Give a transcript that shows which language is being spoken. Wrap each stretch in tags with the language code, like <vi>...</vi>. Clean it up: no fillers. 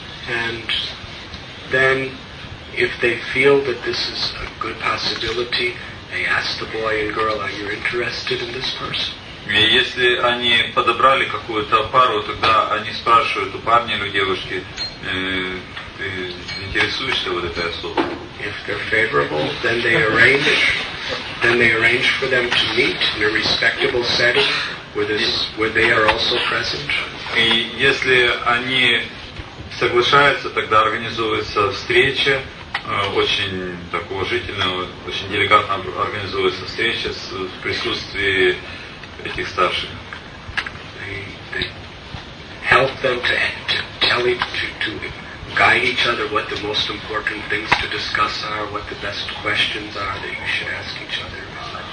<en>And then, if they feel that this is a good possibility, they ask the boy and girl, are you interested in this person?</en> <ru>И если они подобрали какую-то пару, тогда они спрашивают у парня или у девушки, ты интересуешься вот этой особой?</ru> <en>If they're favorable, then they arrange, for them to meet in a respectable setting where, where they are also present.</en> <ru>И если они соглашаются, тогда организовывается встреча, очень так уважительно, очень деликатно организовывается встреча в присутствии этих старших.</ru> <en>They help them to guide each other what the most important things to discuss are, what the best questions are that you should ask each other.</en>